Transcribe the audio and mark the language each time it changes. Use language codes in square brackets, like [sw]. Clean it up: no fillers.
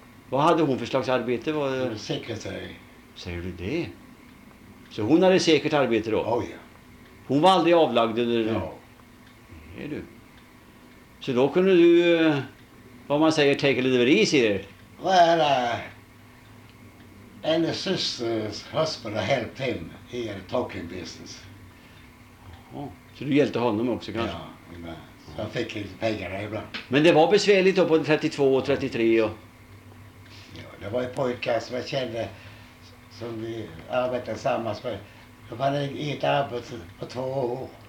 [sv] Vad hade hon för slags arbete? Var det... Sekretär. Säger du det? Så hon hade säkert arbete då? Oh, ja. Hon var aldrig avlagd eller? Ja. Är du? Så då kunde du, vad man säger, [en] take a little bit easy there? Well, And his sister's husband helped him in the talking business. [sv] Så du hjälpte honom också kanske? Ja, så jag fick lite pengar ibland. Men det var besvärligt då på 32 och 33? Och... Ja, det var ju pojkar som jag kände som vi arbetade tillsammans med. De hade inget arbete på 2 år.